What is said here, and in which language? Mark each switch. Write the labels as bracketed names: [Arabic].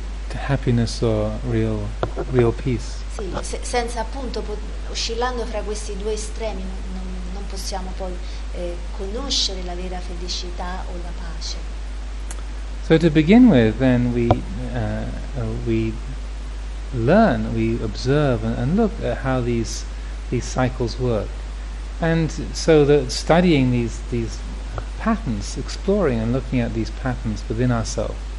[English] the happiness or real peace. [Italian] Sì, se, senza appunto oscillando fra questi due estremi non possiamo poi conoscere la vera felicità o la pace. [English] So to begin with, then we observe and look at how these cycles work. And so that studying these patterns, exploring and looking at these patterns within ourselves.